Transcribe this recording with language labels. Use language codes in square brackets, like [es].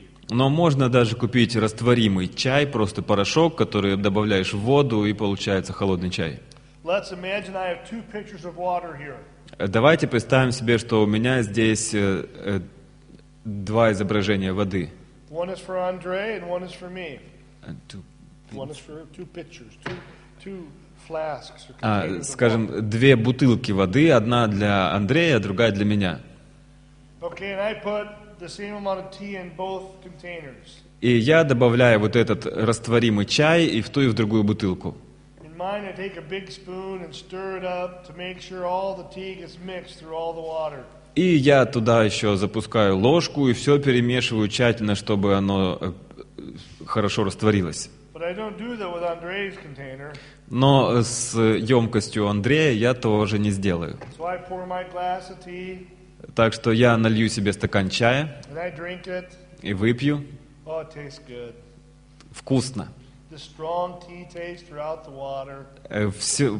[ru] Но можно даже купить растворимый чай, просто порошок, который добавляешь в воду, и получается холодный чай. [en] Let's imagine I have two pitchers of water here. [ru] Давайте представим себе, что у меня здесь два изображения воды. [en] One is for Andre and one is for me. One is for two pitchers, two flasks. [ru] Скажем, две бутылки воды, одна для Андрея, другая для меня. [en] Okay, and I put the same amount of tea in both containers. [ru] И я добавляю вот этот растворимый чай и в ту, и в другую бутылку. [en] And Mine, I take a big spoon and stir it up to make sure all the tea gets mixed through all the water. [ru] И я туда еще запускаю ложку и все перемешиваю тщательно, чтобы оно хорошо растворилось. [en] But I don't do that with Andrei's container. [ru] Но с емкостью Андрея я тоже не сделаю. [en] So I pour my glass of tea. [ru] Так что я налью себе стакан чая. [en] And I drink it. [ru] И выпью. [en] Oh, it tastes good. [ru] Вкусно. [en] The strong tea taste throughout the water.